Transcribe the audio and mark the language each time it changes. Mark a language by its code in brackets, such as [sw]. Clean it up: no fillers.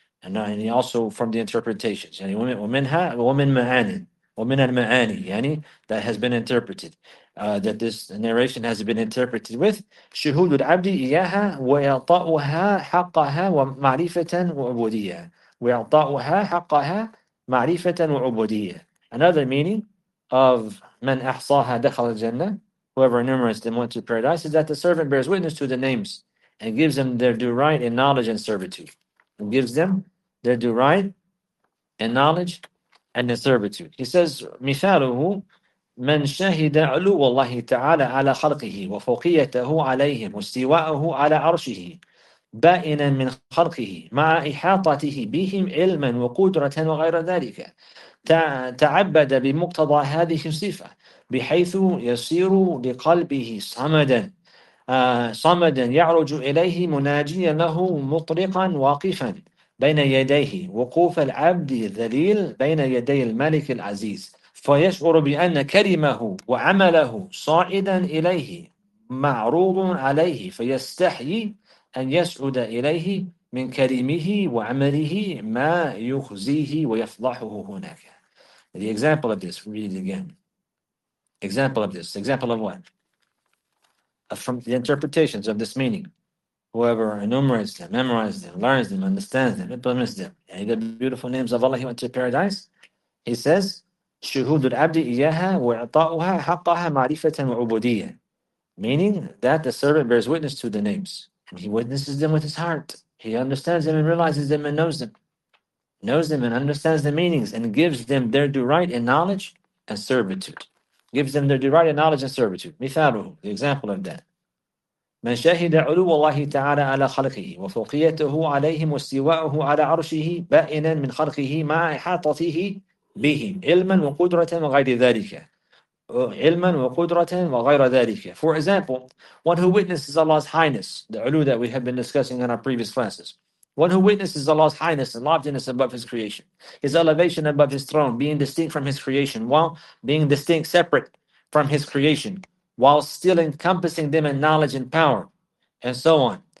[en] And he also from the interpretations. [ar] يعني وَمِنْهَا وَمِنْ مَعَانٍ وَمِنَ الْمَعَانِ. [en] يعني that has been interpreted. That this narration has been interpreted with [ar] شهود العبد إياها ويعطاؤها حقها ومعرفة وعبودية. ويعطاؤها حقها معرفة وعبودية. [en] Another meaning of [ar] من أحصاها دخل الجنة, [en] whoever enumerates them went to paradise, is that the servant bears witness to the names and gives them their due right in knowledge and servitude. And gives them their due right in knowledge and in servitude. He says [ar] مثاله من شهد علو الله تعالى على خلقه وفوقيته عليهم واستواءه على عرشه بائنا من خلقه مع إحاطته بهم علما وقدرة وغير ذلك تعبد بمقتضى هذه الصفة بحيث يصير لقلبه صمدا صمدا يعرج إليه مناجيا له مطرقا واقفا بين يديه وقوف العبد الذليل بين يدي الملك العزيز. فيشعر بأن كلمه وعمله صاعدا إليه معروض عليه، فيستحيي أن يسعد إليه من كلمه وعمله ما يخزيه ويفضحه هناك. [en] The example of this, read it again. Example of this, example of what? From the interpretations of this meaning. Whoever enumerates them, memorizes them, learns them, understands them, implements them. Yani the beautiful names of Allah, he went to paradise. He says, [ar] شهود العبد إياها وإعطاؤها حقها معرفة وعبودية. [en] Meaning that the servant bears witness to the names. And he witnesses them with his heart. He understands them and realizes them and knows them. Knows them and understands the meanings and gives them their due right in knowledge and servitude. Gives them their due right in knowledge and servitude. مثاله, the example of that. [ar] من شهد علو الله تعالى على خلقه وفوقيته عليهم واستواءه على عرشه بائنا من خلقه مع إحاطته بهم علما وقدرة وغير ذلك علما وقدرة وغير ذلك. [en] For example, one who witnesses Allah's highness, the ulu that we have been discussing in our previous classes, one who witnesses Allah's highness and loftiness above His creation, His elevation above His throne, being distinct from His creation, while being distinct separate from His creation, while still encompassing them in knowledge and power, and so on.